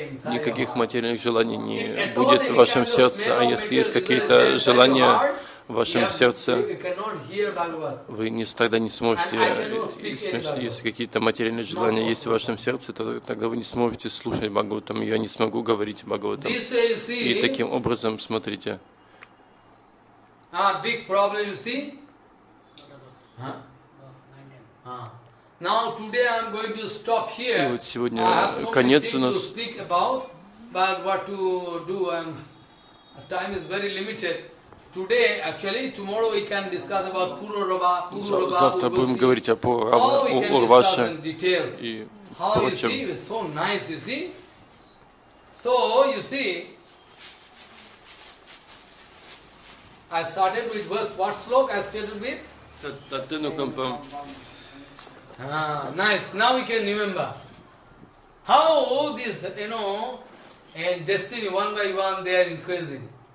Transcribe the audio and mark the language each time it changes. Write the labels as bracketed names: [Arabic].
[Russian] Никаких материальных желаний не будет в вашем сердце, а если есть какие-то желания в вашем сердце, вы тогда не сможете, если какие-то материальные желания есть в вашем сердце, то тогда вы не сможете слушать Бхагаватам, я не смогу говорить Бхагаватам. И таким образом, смотрите. [English] Big problem, you see? Huh? Now, today I'm going to stop here. [Russian] И вот сегодня конец у нас. [English] To speak about, but what to do, and time is very limited. Today, actually, tomorrow we can discuss about Пуророва. [Russian] Завтра будем говорить о Пуророва, Урваше. [English] How we can discuss in details. How you see? It's so nice, you see? So, you see, I started with what sloka I started with? [Sanskrit] Tattinukampam. [English] Nice. Now we can remember. How this, you know, and destiny one by one they are increasing.